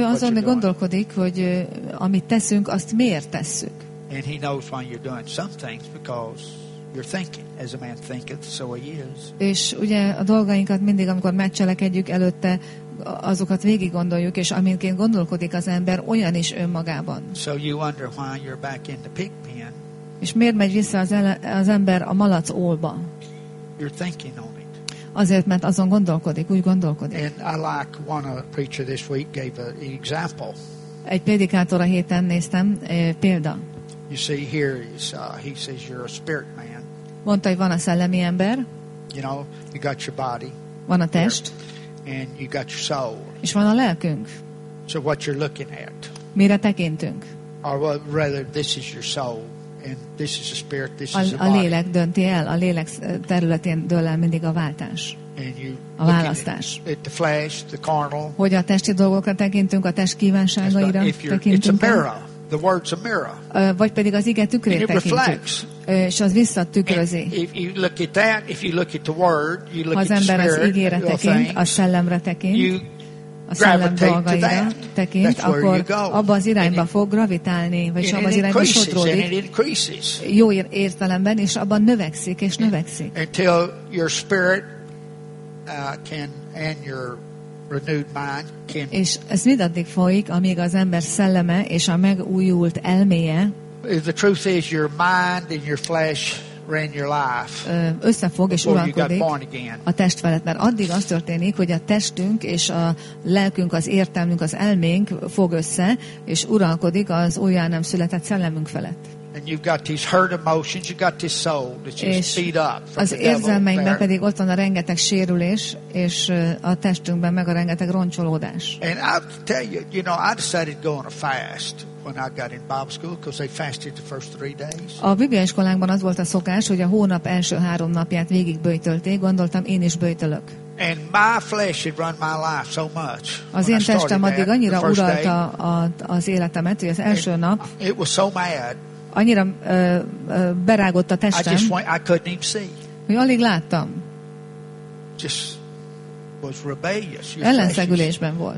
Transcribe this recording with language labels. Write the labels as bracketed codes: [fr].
[hu] Ő azon gondolkodik, hogy amit teszünk, azt miért tesszük. [en] And he knows why you're doing some things because you're thinking, as a man thinketh, so he is. [hu] És ugye a dolgainkat mindig, amikor megcselekedjük előtte, azokat végig gondoljuk, és aminként gondolkodik az ember, olyan is önmagában. [en] So you wonder why you're back in the pig pen. [hu] És miért megy vissza az ember a malac ólba? [en] You're thinking on it. [hu] Azért, mert azon gondolkodik, úgy gondolkodik. [en] And I like one of the preacher this week gave an example. [hu] Egy prédikátor a héten néztem, példa. [en] You see, here is, he says you're a spirit man. [hu] Mondta, hogy van a szellemi ember. [en] You know, you got your body. [hu] Van a test. [en] And you got your soul. [hu] És van a lelkünk. [en] So what you're looking at. [hu] Mire tekintünk? [en] Or rather, this is your soul, and this is a spirit, this is a body. [hu] A lélek dönti el, a lélek területén dől el mindig a váltás. [en] And you [hu] a választás. [en] At the flesh, the carnal. [hu] Hogy a testi dolgokra tekintünk, a test kívánságaira tekintünk. [en] It's a mirror. The word's a mirror. [hu] Vagy pedig az ige tükrét [en] and it [hu] tekintünk. [en] Reflects. [hu] És az visszatükrözi. Ha az ember az ígére tekint, a szellemre tekint, a szellem dolgaira tekint, akkor abba az irányba fog gravitálni, vagyis abba az irányba sodródik. Jó értelemben, és abban növekszik, és növekszik. [en] Until your spirit can and your renewed mind can. [hu] És ez mindaddig folyik, amíg az ember szelleme és a megújult elméje. [en] The truth is, your mind and your flesh ran your life. [hu] Összefog és uralkodik a test felett, mert addig az történik, hogy a testünk és a lelkünk, az értelmünk, az elménk fog össze és uralkodik az újjá nem született szellemünk felett. [en] And you've got these hurt emotions, you've got this soul that you speed up. [hu] Az érzelmeinkben pedig ott van a rengeteg sérülés és a testünkben meg a rengeteg roncsolódás. [en] And I tell you, you know, I decided to go on a fast. When I got in Bible school, because they fasted the first 3 days. [hu] A Biblia iskolánkban az volt a szokás, hogy a hónap első 3 napját végig böjtölték. Gondoltam, én is böjtölök. [en] And my flesh had run my life so much. [hu] Az én testem addig annyira uralta az életemet, hogy az első nap. [en] It was so mad. [hu] Annyira berágott a testem. [en] I couldn't even see. [hu] Hogy alig láttam. [en] Just was rebellious. [hu] Ellenszegülésben volt.